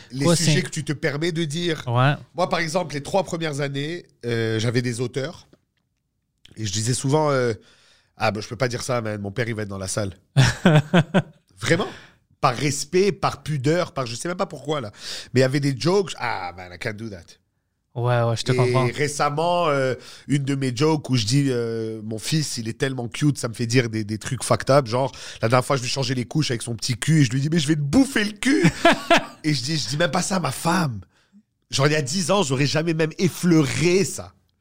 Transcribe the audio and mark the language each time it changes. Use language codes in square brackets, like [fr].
[fr] Les sujets que tu te permets de dire. Ouais. Moi, par exemple, les 3 premières années, j'avais des auteurs. Et je disais souvent, je peux pas dire ça, mais mon père, il va être dans la salle. Vraiment. Par respect, par pudeur, par je sais même pas pourquoi, là. Mais il y avait des jokes, [en] I can't do that. [fr] Ouais, je te comprends. Et récemment, une de mes jokes où je dis, mon fils, il est tellement cute, ça me fait dire des trucs factables. Genre, la dernière fois, je lui ai changé les couches avec son petit cul et je lui dis, mais je vais te bouffer le cul. Et je dis même pas ça à ma femme. Genre, il y a 10 ans, j'aurais jamais même effleuré ça.